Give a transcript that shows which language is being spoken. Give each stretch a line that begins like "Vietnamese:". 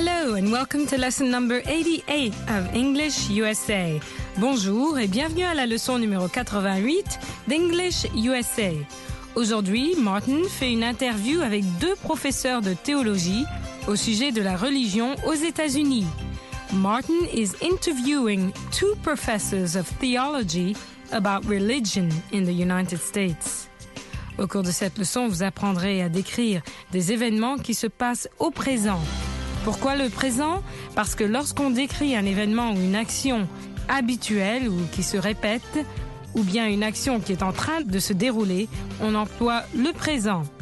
English: And welcome to lesson number 88 of English USA.
French: Bonjour et bienvenue à la leçon numéro 88 d'English USA. Aujourd'hui, Martin fait une interview avec deux professeurs de théologie au sujet de la religion aux États-Unis.
English: Martin is interviewing two professors of theology about religion in the United States.
French: Au cours de cette leçon, vous apprendrez à décrire des événements qui se passent au présent. Pourquoi le présent? Parce que lorsqu'on décrit un événement ou une action habituelle ou qui se répète, ou bien une action qui est en train de se dérouler, on emploie le présent.